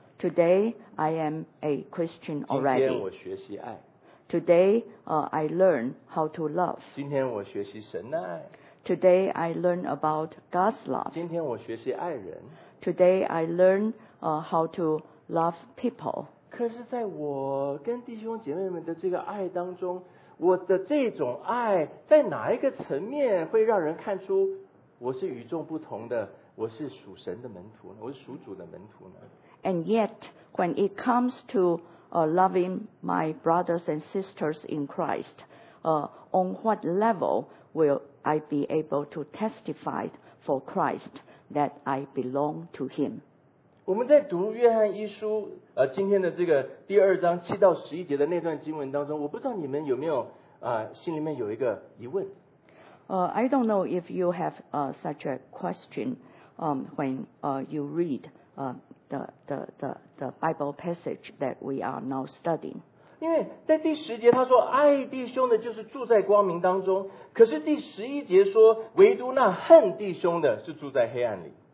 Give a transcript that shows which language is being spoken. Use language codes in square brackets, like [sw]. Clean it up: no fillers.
[en] Today I am a Christian already. [zh] 今天我学习爱。 [en] Today, I learn how to love. [zh] 今天我学习神的爱。 [en] Today I learn about God's love. [zh] 今天我学习爱人。 [en] Today I learn, how to love people. [zh] 可是在我跟弟兄姐妹们的这个爱当中，我的这种爱在哪一个层面会让人看出我是与众不同的，我是属神的门徒呢？我是属主的门徒呢？ [en] And yet, when it comes to, loving my brothers and sisters in Christ, on what level will I be able to testify for Christ that I belong to Him? [zh] 我们在读约翰一书，今天的这个第二章七到十一节的那段经文当中，我不知道你们有没有，心里面有一个疑问。 [en] I don't know if you have, such a question, when, you read, the Bible passage that we are now studying. [zh] 因为在第十节他说爱弟兄的就是住在光明当中，可是第十一节说唯独那恨弟兄的是住在黑暗里。